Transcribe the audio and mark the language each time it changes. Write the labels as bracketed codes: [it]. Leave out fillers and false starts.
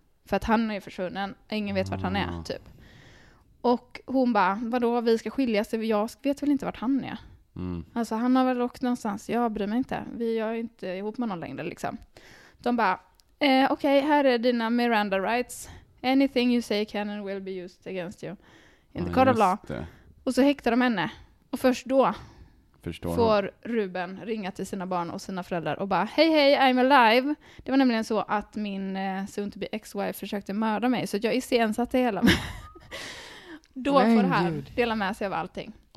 [sv] För att han är försvunnen. Ingen vet vart han är, typ. Och hon bara, vadå? Vi ska skilja sig. Jag vet väl inte vart han är. Mm. Alltså han har väl åkt någonstans. Jag bryr mig inte. Vi är inte ihop med någon längre, liksom. De bara, okej, här är dina Miranda rights. [en] Anything you say can and will be used against you in the court of law. [sv] Och så häktar de henne. Och först då får Ruben ringa till sina barn och sina föräldrar och bara, hej, hej, [en] I'm alive. [sv] Det var nämligen så att min [en] soon to be ex-wife [sv] försökte mörda mig, så jag iscensatte hela. Då får han dela med sig av allting.